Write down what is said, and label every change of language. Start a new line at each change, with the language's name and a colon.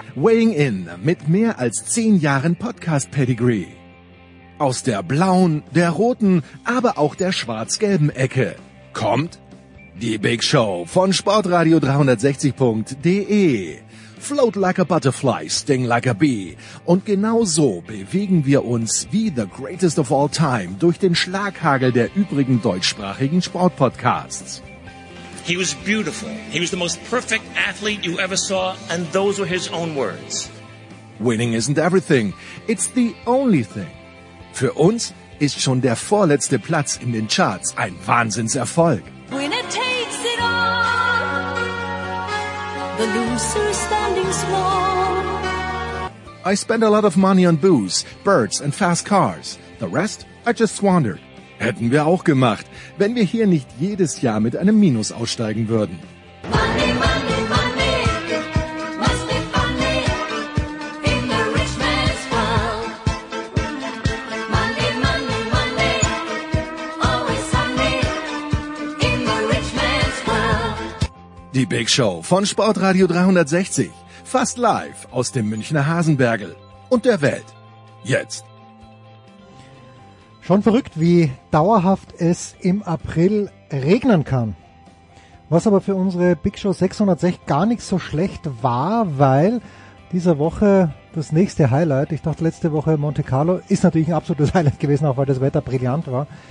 English: Weighing in
German: mit mehr als 10 Jahren Podcast-Pedigree. Aus der blauen, der roten, aber auch der schwarz-gelben Ecke kommt die Big Show von sportradio360.de.
English: Float like a butterfly, sting like a bee.
German: Und genau so bewegen wir uns wie
English: the greatest of all time
German: durch den Schlaghagel der übrigen deutschsprachigen Sportpodcasts.
English: He was beautiful. He was the most perfect athlete you ever saw, and those were his own words. Winning isn't everything. It's the only thing.
German: Für uns ist schon der vorletzte Platz in den Charts ein Wahnsinnserfolg.
English: When it takes it all, the loser standing small. I spend a lot of money on booze, birds and fast cars. The rest I just squandered.
German: Hätten wir auch gemacht, wenn wir hier nicht jedes Jahr mit einem Minus aussteigen würden.
English: Money, money, money, must be funny in the rich man's world. Money, money, money, always sunny in the rich man's world.
German: Die Big Show von Sportradio 360, fast live aus dem Münchner Hasenbergl und der Welt. Jetzt. Schon verrückt, wie dauerhaft es im April regnen kann. Was aber für unsere Big Show 606 gar nicht so schlecht war, weil diese Woche das nächste Highlight, ich dachte letzte Woche Monte Carlo, ist natürlich ein absolutes Highlight gewesen, auch weil das Wetter brillant war.